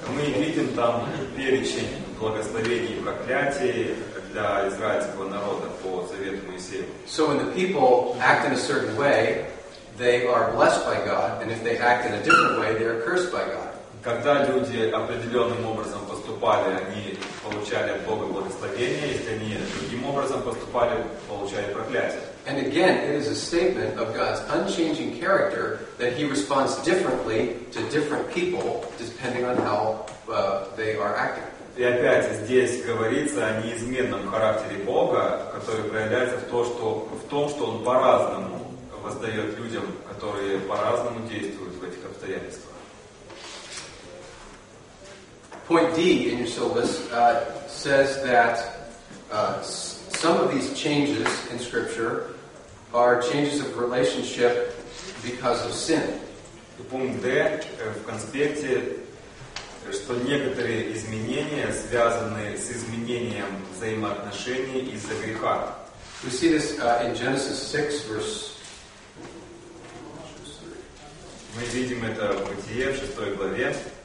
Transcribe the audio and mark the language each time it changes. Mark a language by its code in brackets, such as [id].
[ru] Мы видим там перечень благословений и проклятий для израильского народа по завету Моисея. [en] So when the people act in a certain way, they are blessed by God, and if they act in a different way, they are cursed by God. [ru] Когда люди определенным образом поступали, они получали от Бога благословение, если они другим образом поступали, получали проклятие. [en] And again, it is a statement of God's unchanging character that He responds differently to different people depending on how they are acting. [ru] И опять здесь говорится о неизменном характере Бога, который проявляется в том, что Он по-разному воздает людям, которые по-разному действуют в этих обстоятельствах. [en] Point D in your syllabus says that some of these changes in Scripture are changes of relationship because of sin. [ru] Пункт D в конспекте, что некоторые изменения связаны с изменением взаимоотношений из-за греха. [en] We see this in Genesis 6, verse 3. [ru] Мы видим это в Бытие, в 6 главе.